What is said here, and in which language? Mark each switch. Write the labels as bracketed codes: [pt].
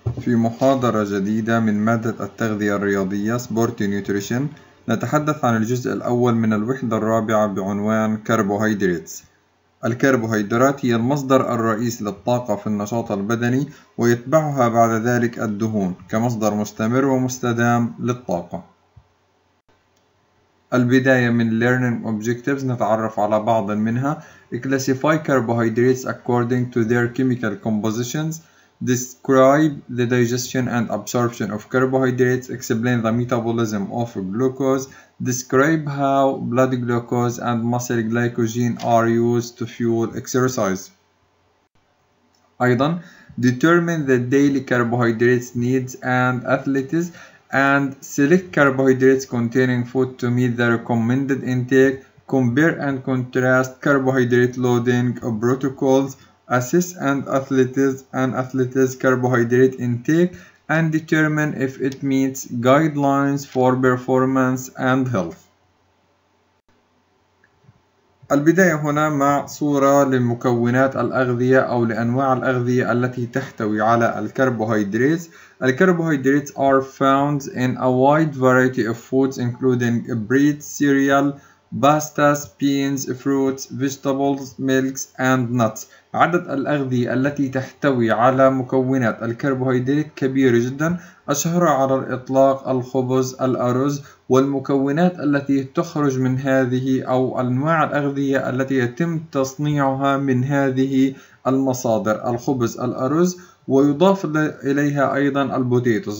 [ar] في محاضرة جديدة من مادة التغذية الرياضية سبورت نيوتريشن، نتحدث عن الجزء الأول من الوحدة الرابعة بعنوان كاربوهيدراتس. الكربوهيدرات هي المصدر الرئيس للطاقة في النشاط البدني، ويتبعها بعد ذلك الدهون كمصدر مستمر ومستدام للطاقة. البداية من Learning Objectives، نتعرف على بعض منها. [en] Classify carbohydrates according to their chemical compositions. Describe the digestion and absorption of carbohydrates. Explain the metabolism of glucose. Describe how blood glucose and muscle glycogen are used to fuel exercise. [ar] أيضا [en] Determine the daily carbohydrates needs and athletes. And select carbohydrates containing food to meet the recommended intake. Compare and contrast carbohydrate loading protocols. Assess athletes' carbohydrate intake and determine if it meets guidelines for performance and health. [ar] البداية هنا مع صورة لمكونات الأغذية أو لأنواع الأغذية التي تحتوي على الكربوهيدرات. [en] الكربوهيدرات are found in a wide variety of foods including bread, cereal, pastas, beans, fruits, vegetables, milks and nuts. [ar] عدد الأغذية التي تحتوي على مكونات الكربوهيدرات كبير جدا، أشهر على الإطلاق الخبز، الأرز، والمكونات التي تخرج من هذه أو أنواع الأغذية التي يتم تصنيعها من هذه المصادر، الخبز، الأرز، ويضاف إليها أيضا البوتيتوس.